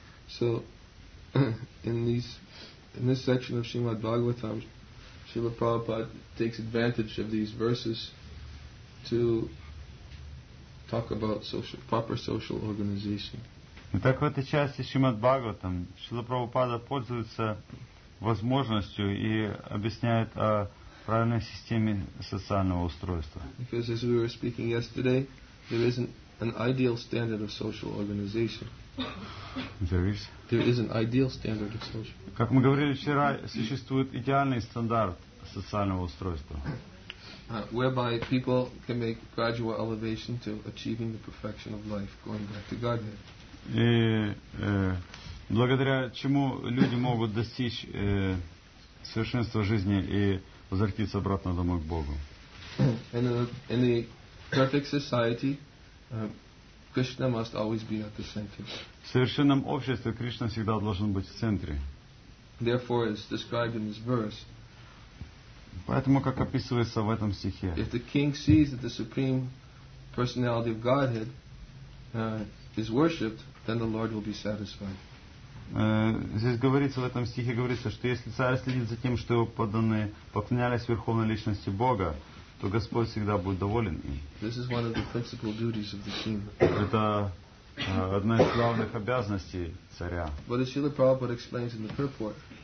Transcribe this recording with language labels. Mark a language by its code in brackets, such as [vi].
[en] So, in this section of Srimad Bhagavatam, Srila Prabhupada takes advantage of these verses to talk about proper social organization. [ru] Итак, в этой части Шримад Бхагаватам Шрила Прабхупада пользуется возможностью и объясняет о правильной системе социального устройства. [en] Because as we were speaking yesterday, there isn't an ideal standard of social organization. There is an ideal standard of social. [ru] Как мы говорили вчера, существует идеальный стандарт социального устройства. [en] Whereby people can make gradual elevation to achieving the perfection of life, going back to Godhead. [ru] И благодаря чему люди могут достичь совершенства жизни и возвратиться обратно домой к Богу. [en] In a perfect society, Krishna must always be at the center. [ru] В совершенном обществе Кришна всегда должен быть в центре. [en] Therefore, it's described in this verse. [ru] Поэтому, как описывается в этом стихе. [en] If the king sees that the supreme personality of Godhead is worshipped, then the Lord will be satisfied. [ru] Здесь говорится, в этом стихе говорится, что если царь следит за тем, что его подданные поклонялись верховной личности Бога, то Господь всегда будет доволен им. [en] This is one of the principal duties of the king. [ru] Это одна из главных обязанностей царя. [en] But as Srila Prabhupada explains in the purport.